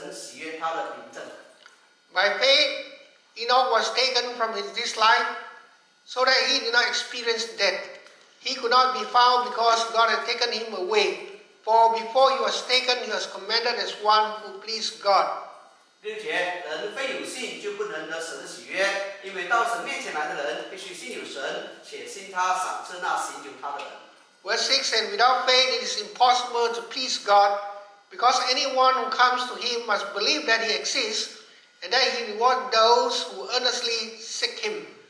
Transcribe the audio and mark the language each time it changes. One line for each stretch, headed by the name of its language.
Chinese: 以诺一个信被接去，不知见死，人也找不着他，因为神已经把他接去了，只是他被接去以前，已经得了神喜悦他的凭证。
English: By faith Enoch was taken from this life so that he did not experience death. He could not be found because God had taken him away. For before he was taken, he was commended as one who pleased God.
Chinese: 并且人非有信就不能得神的喜悦，因为到神面前来的人必须信有神，且信他赏赐那信有他的人。
English: Verse 6, and without faith it is impossible to please God, because anyone who comes to him must believe that he exists, and that he rewards those who earnestly seek him.